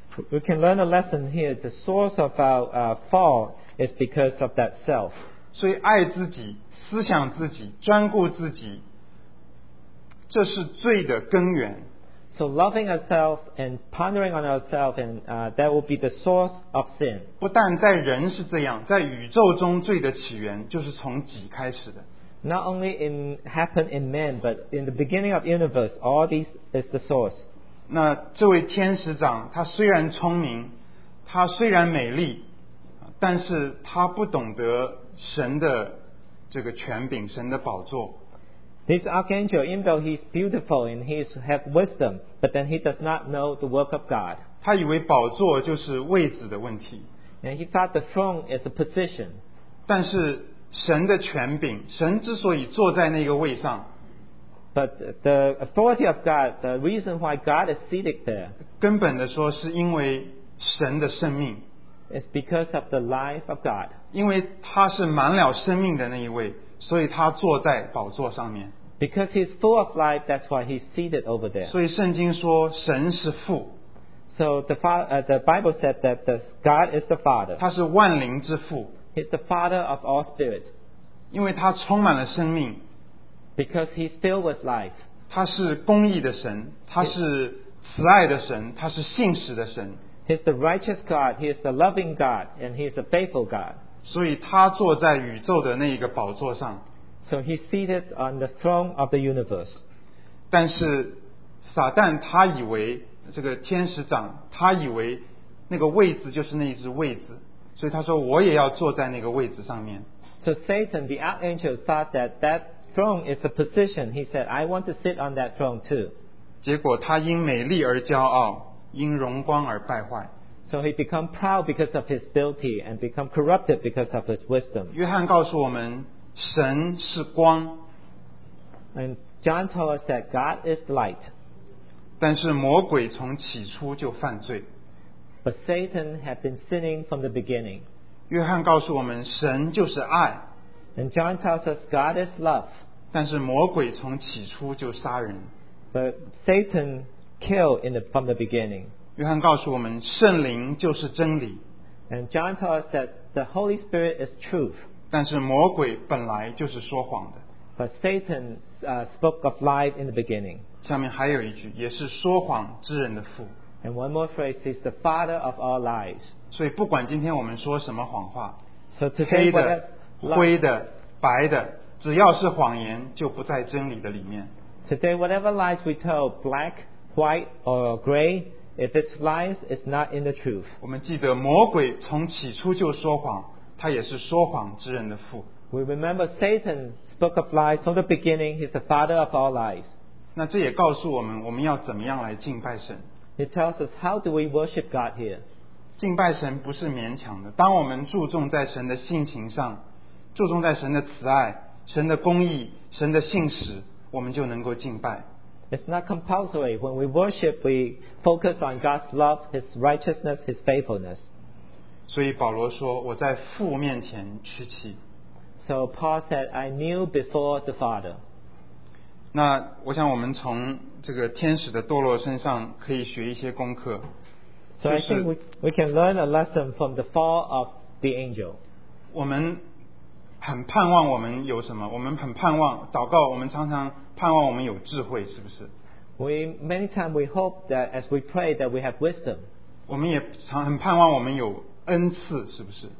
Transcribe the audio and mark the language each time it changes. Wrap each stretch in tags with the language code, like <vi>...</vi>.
<en>We can learn a lesson here. The source of our fall is because of that self.</en> <zh>所以爱自己，思想自己，专顾自己，这是罪的根源。</zh> <en>So loving ourselves and pondering on ourselves, and that will be the source of sin.</en> <zh>不但在人是这样，在宇宙中罪的起源就是从己开始的。</zh> <en>Not only in happen in man, but in the beginning of universe, all these is the source.</en> <zh>那这位天使长，他虽然聪明，他虽然美丽，但是他不懂得神的这个权柄，神的宝座。</zh> <en>This archangel, even though he's beautiful and he has wisdom, but then he does not know the work of God.</en> <zh>他以为宝座就是位置的问题。</zh> <en>And he thought the throne is a position.</en> <zh>但是神的权柄，神之所以坐在那个位上，</zh> <en>But the authority of God, the reason why God is seated there,</en> <zh>根本的说是因为神的生命，</zh> <en>It's because of the life of God.</en> <zh>因为他是满了生命的那一位，所以他坐在宝座上面。</zh> <en>Because he's full of life, that's why he's seated over there.</en> <zh>所以圣经说神是父。</zh> <en>So the Bible said that God is the Father.</en> <zh>他是万灵之父。</zh> <en>He's the Father of all spirit.</en> <zh>因为他充满了生命。</zh> <en>Because he's filled with life.</en> <zh>他是公义的神，他是慈爱的神，他是信实的神。</zh> <en>He's the righteous God, he is the loving God, and he is a faithful God.</en> <zh>所以他坐在宇宙的那一个宝座上。</zh> <en>So he's seated on the throne of the universe.</en> <zh>但是撒旦他以为，这个天使长，他以为那个位置就是那一只位置。所以他说我也要坐在那个位置上面。</zh> <en>So Satan, the archangel, thought that that throne is a position. He said, I want to sit on that throne too.</en> <zh>结果他因美丽而骄傲，因荣光而败坏。</zh> <en>So he become proud because of his beauty and become corrupted because of his wisdom.</en> <zh>约翰告诉我们神是光。</zh> <en>And John told us that God is light.</en> <zh>但是魔鬼从起初就犯罪。</zh> <en>But Satan had been sinning from the beginning.</en> <zh>约翰告诉我们神就是爱。</zh> <en>And John tells us God is love.</en> <zh>但是魔鬼从起初就杀人。</zh> <en>But Satan killed from the beginning.</en> <zh>约翰告诉我们圣灵就是真理。</zh> <en>And John tells us that the Holy Spirit is truth.</en> <zh>但是魔鬼本来就是说谎的。</zh> <en>But Satan spoke of lie in the beginning.</en> <zh>下面还有一句，也是说谎之人的父。</zh> <en>And one more phrase is the father of all lies.</en> <zh>所以不管今天我们说什么谎话，</zh> <en>so to say</en> <zh>黑的、灰的、白的，只要是谎言，就不在真理的里面。</zh> <en>Today, whatever lies we tell, black, white, or gray, if it's lies, it's not in the truth.</en> <zh>我们记得魔鬼从起初就说谎，他也是说谎之人的父。</zh> <en>We remember Satan spoke of lies from the beginning. He's the father of all lies.</en> <zh>那这也告诉我们，我们要怎么样来敬拜神。</zh> <en>It tells us how do we worship God here.</en> <zh>敬拜神不是勉强的。当我们注重在神的性情上，注重在神的慈爱、神的公义、神的信实，我们就能够敬拜。</zh> <en>It's not compulsory. When we worship, we focus on God's love, His righteousness, His faithfulness.</en> <zh>所以保罗说，我在父面前屈膝。</zh> <en>So Paul said, I kneel before the Father.</en> <zh>那我想我们从这个天使的堕落身上可以学一些功课。</zh> <en>So I think we can learn a lesson from the fall of the angel.</en> <zh>我们很盼望我们有什么？我们很盼望祷告，我们常常盼望我们有智慧，是不是？</zh> <en>Many times we hope that as we pray that we have wisdom.</en> <zh>我们也常很盼望我们有恩赐，是不是？</zh>